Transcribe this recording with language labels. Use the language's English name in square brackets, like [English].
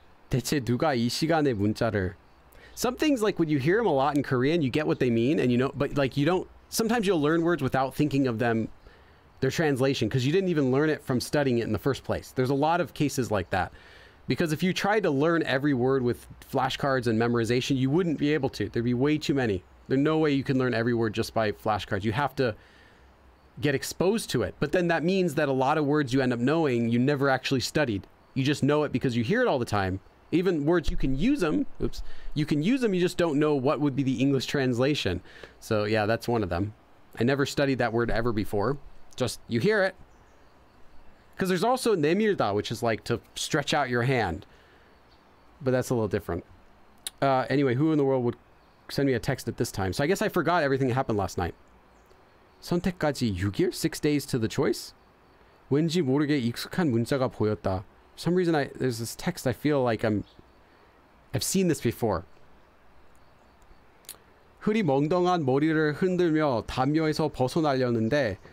[Korean] 대체 누가 이 시간에 문자를. [English] Some things, like, when you hear them a lot in Korean, you get what they mean, and you know, but, like, you don't, sometimes you'll learn words without thinking of them, their translation, because you didn't even learn it from studying it in the first place. There's a lot of cases like that. Because if you tried to learn every word with flashcards and memorization, you wouldn't be able to. There'd be way too many. There's no way you can learn every word just by flashcards. You have to get exposed to it. But then that means that a lot of words you end up knowing, you never actually studied. You just know it because you hear it all the time. Even words, you can use them. Oops. You can use them, you just don't know what would be the English translation. So yeah, that's one of them. I never studied that word ever before. Just, you hear it. Because there's also 내밀다, which is like to stretch out your hand. But that's a little different. Anyway, who in the world would send me a text at this time? So I guess I forgot everything that happened last night. [Korean] 선택까지 6일? [English] 6 days to the choice? [Korean] 왠지 모르게 익숙한 문자가 보였다. [English] For some reason, there's this text I feel like I've seen this before. [Korean] 흐리 멍덩한 머리를 흔들며 담요에서 벗어나려는데.